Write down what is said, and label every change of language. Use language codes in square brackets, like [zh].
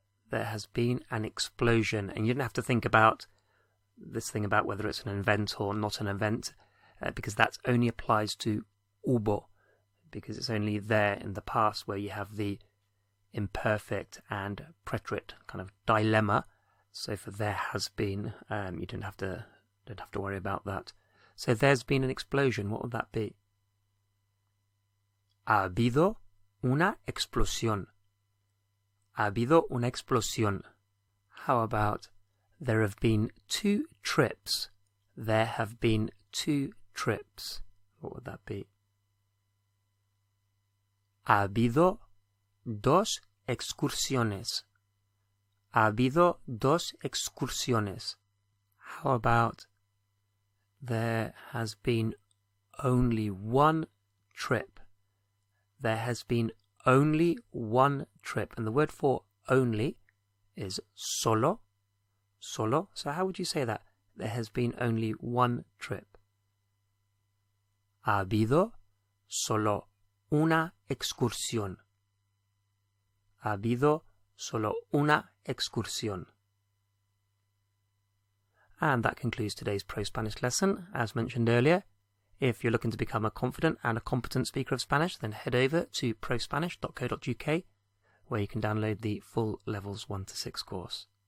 [en] There has been an explosion. And you don't have to think about this thing about whether it's an event or not an event, because that only applies to hubo, because it's only there in the past where you have the imperfect and preterite kind of dilemma. So for there has been, you don't have to worry about that. So there's been an explosion. What would that be? [es] Ha habido una explosión. Ha habido una explosión. [en] How about, there have been two trips. There have been two trips. What would that be? [es] Ha habido dos excursiones. Ha habido dos excursiones. [en] How about there has been only one trip? There has been only one trip. And the word for only is solo. Solo. So how would you say that? There has been only one trip. [es] Ha habido solo una excursión. Ha habido solo una excursión. [en] And that concludes today's Pro Spanish lesson. As mentioned earlier, if you're looking to become a confident and a competent speaker of Spanish, then head over to prospanish.co.uk, where you can download the full Levels 1 to 6 course.